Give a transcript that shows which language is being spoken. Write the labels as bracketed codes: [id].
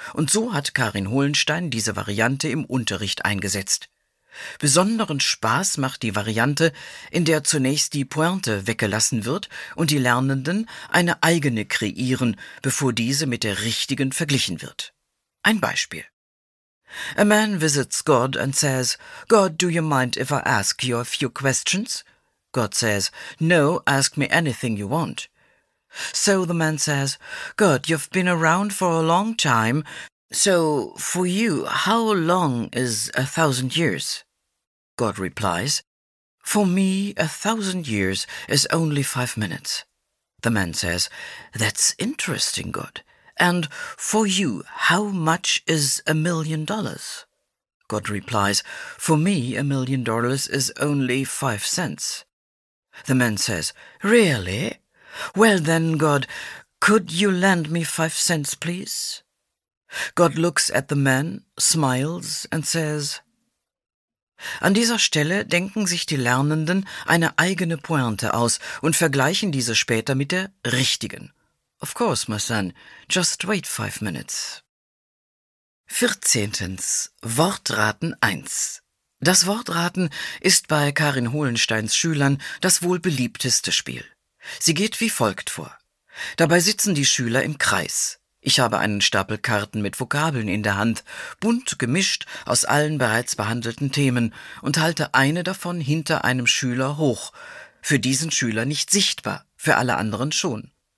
[de] Und so hat Karin Hohlenstein diese Variante im Unterricht eingesetzt. Besonderen Spaß macht die Variante, in der zunächst die Pointe weggelassen wird und die Lernenden eine eigene kreieren, bevor diese mit der richtigen verglichen wird. Ein Beispiel. [en] A man visits God and says, God, do you mind if I ask you a few questions? God says, no, ask me anything you want. So the man says, God, you've been around for a long time. So, for you, how long is 1,000 years? God replies, for me, 1,000 years is only 5 minutes. The man says, that's interesting, God. And for you, how much is $1,000,000? God replies, for me, $1,000,000 is only 5 cents. The man says, really? Well then, God, could you lend me 5 cents, please? God looks at the man, smiles and says. [de] An dieser Stelle denken sich die Lernenden eine eigene Pointe aus und vergleichen diese später mit der richtigen. [en] Of course, my son, just wait 5 minutes. [de] 14. Wortraten 1. Das Wortraten ist bei Karin Hohlensteins Schülern das wohl beliebteste Spiel. Sie geht wie folgt vor. Dabei sitzen die Schüler im Kreis. Ich habe einen Stapel Karten mit Vokabeln in der Hand, bunt gemischt aus allen bereits behandelten Themen, und halte eine davon hinter einem Schüler hoch, für diesen Schüler nicht sichtbar, für alle anderen schon.